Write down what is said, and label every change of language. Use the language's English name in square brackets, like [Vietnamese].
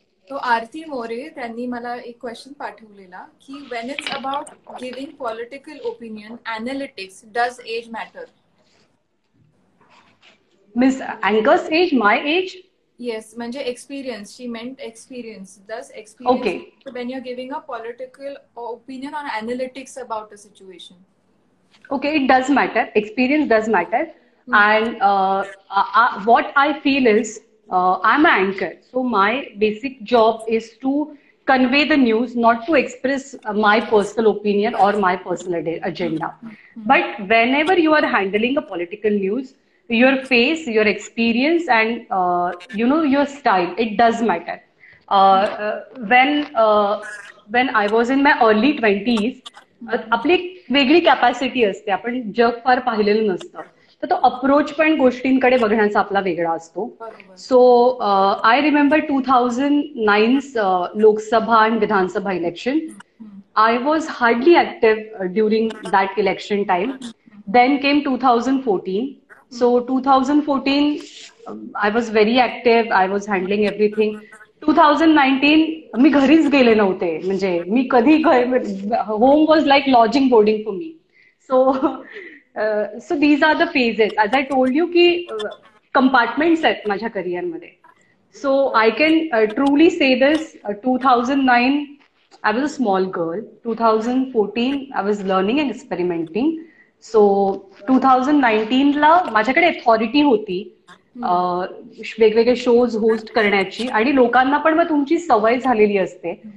[English] तो आरती मोरे [Marathi] त्यांनी मला एक क्वेश्चन पाठवलेला [English] की when it's about giving political opinion analytics does age matter. Miss anchors age my age yes म्हणजे experience शी मेंट experience does experience okay when you are giving a political opinion on analytics about a situation. Okay it does matter experience does matter and what I feel is I'm an anchor, so my basic job is to convey the news, not to express my personal opinion or my personal agenda. But whenever you are handling a political news, your face, your experience and you know, your style, it does matter. When I was in my early 20s, [Marathi] आपली एक वेगळी capacity असते, आपण जग फार पाहिलेलं नसतं. तो अप्रोच पण गोष्टींकडे बघण्याचा आपला वेगळा असतो. [English] So I remember 2009 Lok Sabha and Vidhan Sabha election. I was hardly active during that election time. Then came 2014. So 2014 I was very active, I was handling everything. [Marathi] 2019 मी घरीच गेले नव्हते, म्हणजे मी कधी [English] Home was like lodging boarding for me. So so these are the phases. As I told you ki compartments [Marathi] at majha career madhe. [English] So I can truly say this, 2009 I was a small girl, 2014 I was learning and experimenting. [Marathi] So 2019 la majhya kade authority hoti वेगवेगळे shows host करण्याची आणि लोकांना पण मग तुमची सवय झालेली असते.